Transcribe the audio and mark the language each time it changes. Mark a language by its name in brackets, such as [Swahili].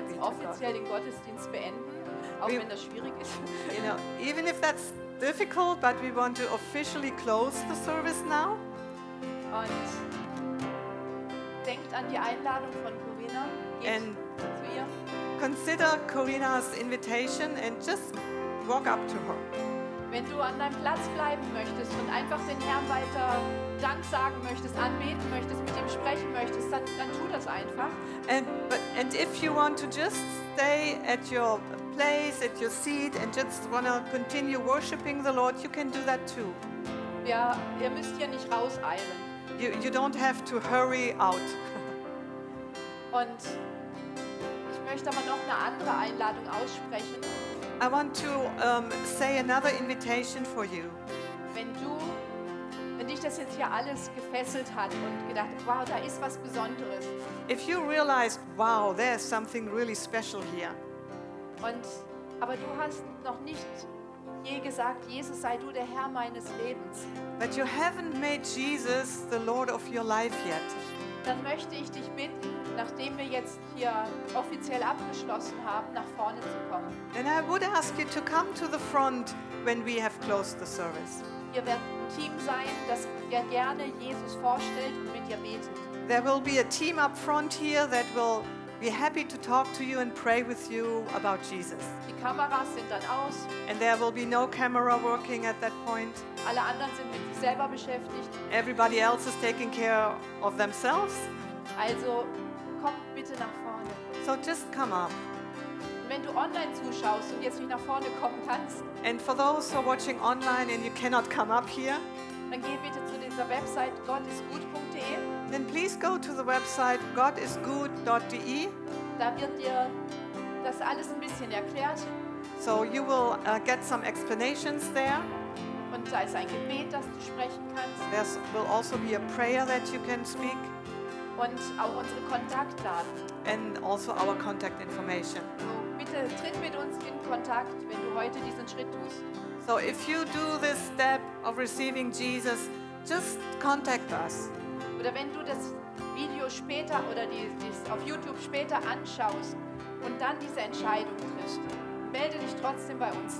[English] be to God. [German] Wir werden jetzt offiziell den Gottesdienst beenden, auch wenn das schwierig ist. [English] You know, even if that's difficult, but we want to officially close the service now. [German] Und denkt an die Einladung von Corinna. And zu ihr. [English] Consider Corinna's invitation and just walk up to her. [German] Wenn du an deinem Platz bleiben möchtest und einfach den Herrn weiter Dank sagen möchtest, anbeten möchtest, mit ihm sprechen möchtest, dann tu das einfach. [English] And if you want to just stay at your place, at your seat and just want to continue worshiping the Lord, you can do that too. [German] Ja, ihr müsst hier nicht rauseilen. [English] You don't have to hurry out. [German] Und ich möchte aber noch eine andere Einladung aussprechen. [English] I want to say another invitation for you. [German] Wenn dich das jetzt hier alles gefesselt hat und gedacht, wow, da ist was Besonderes. [English] If you realize, wow, there's something really special here. [German] Und aber du hast noch nicht je gesagt, Jesus sei du der Herr meines Lebens. [English] But you haven't made Jesus the Lord of your life yet. [German] Dann möchte ich dich bitten, nachdem wir jetzt hier offiziell abgeschlossen haben, nach vorne zu kommen. [English] Then I would ask you to come to the front when we have closed the service. [German] Ihr werdet ein Team sein, das dir gerne Jesus vorstellt und mit dir betet. [English] There will be a team up front here that will be happy to talk to you and pray with you about Jesus. [German] Die Kameras sind dann aus. [English] And there will be no camera working at that point. [German] Alle anderen sind mit sich selber beschäftigt. [English] Everybody else is taking care of themselves. [German] Also, komm bitte nach vorne. [English] So just come up. [German] Wenn du online zuschaust und jetzt nicht nach vorne kommen kannst. [English] And for those who are watching online and you cannot come up here. [German] Dann geh bitte zu dieser Website gottisgut.de. [English] Then please go to the website godisgood.de. [German] Da wird dir das alles ein bisschen erklärt. [English] So you will get some explanations there. [German] Und da ist ein Gebet, das du sprechen kannst. [English] There will also be a prayer that you can speak. [German] Und auch unsere Kontaktdaten. [English] And also our contact information. [German] So, bitte tritt mit uns in Kontakt, wenn du heute diesen Schritt tust. [English] So if you do this step of receiving Jesus, just contact us. [German] Oder wenn du das Video später oder dies auf YouTube später anschaust und dann diese Entscheidung triffst, melde dich trotzdem bei uns.